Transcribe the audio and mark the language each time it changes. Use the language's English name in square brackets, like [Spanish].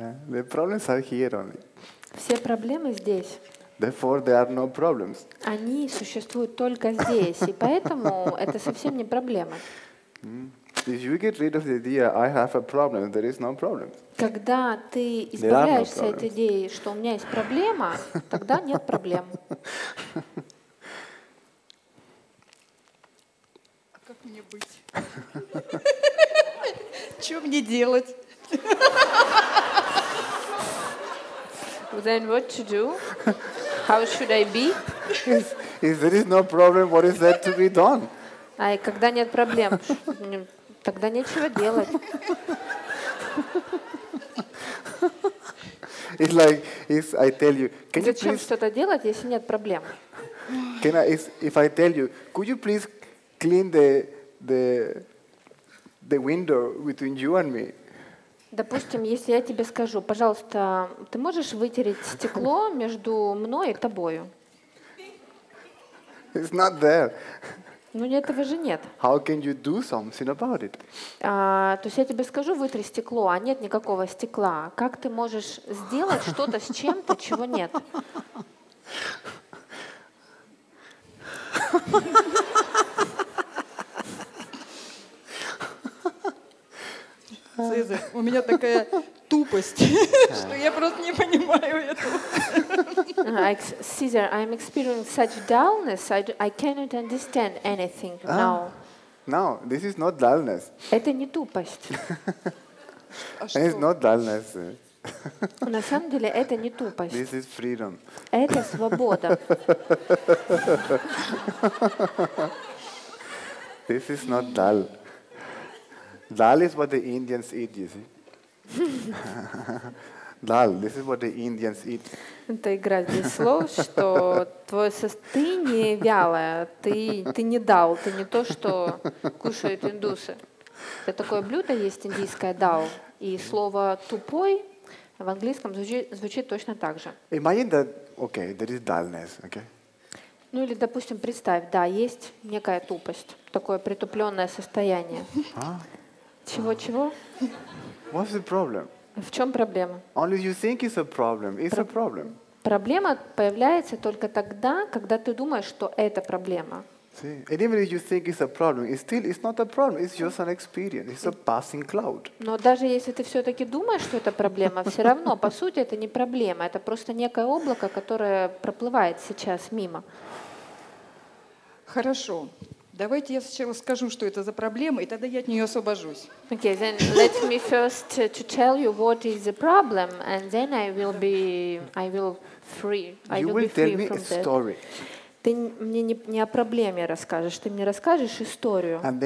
[English] The problems are here only. [Russian] Все проблемы здесь. [English] Therefore, there are no problems. [Russian] Они существуют только здесь, и поэтому это совсем не проблема. [English] If you get rid of the idea, I have a problem, there is no problem. [Russian] Когда ты избавляешься от идеи, что у меня есть проблема, тогда нет проблем. А как мне быть? Что мне делать? [English] Then what to do? How should I be? If there is no problem, what is there to be done? [Russian] Ай, когда нет проблем, тогда нечего делать. [English] It's like if I tell you, can you please? [Russian] Зачем что-то делать, если нет проблем? [English] Can I, if I tell you, could you please clean the window between you and me? [Russian] Допустим, если я тебе скажу, пожалуйста, ты можешь вытереть стекло между мной и тобою? [English] It's not there. [Russian] Ну, этого же нет. [English] How can you do something about it? [Russian] То есть я тебе скажу, вытри стекло, а нет никакого стекла. Как ты можешь сделать что-то с чем-то, чего нет? Цезарь, у меня такая тупость, что я просто не понимаю этого. [English] Цезар, I'm experiencing such dullness, I cannot understand anything now. No, this is not dullness. [Russian] Это не тупость. [English] It's not dullness. [Russian] На самом деле, это не тупость. [English] This is freedom. [Russian] Это свобода. [English] This is not dull. Dal is what the Indians eat, you see? Dal, this is what the Indians eat. [Russian] Это игра здесь слов, что твое состояние вялое, ты не дал, ты не то, что кушают индусы. Это такое блюдо есть индийское, дал. И слово тупой в английском звучит точно так же. [English] Imagine that, okay, there is dullness, okay? [Russian] Ну или, допустим, представь, да, есть некая тупость, такое притупленное состояние. Чего-чего? [English] What's the problem? [Russian] В чем проблема? [English] Only you think it's a problem. It's a problem. [Russian] Проблема появляется только тогда, когда ты думаешь, что это проблема. [English] See, and even if you think it's a problem, it's still it's not a problem. It's just an experience. It's a passing cloud. [Russian] Но даже если ты все-таки думаешь, что это проблема, все равно по сути это не проблема. Это просто некое облако, которое проплывает сейчас мимо. Хорошо. Давайте я сначала скажу, что это за проблема, и тогда я от нее освобожусь. [English] Okay, then let me first to tell you what is the problem, and then I will be free. You will tell me a story. [Russian] Ты мне не о проблеме расскажешь, ты мне расскажешь историю.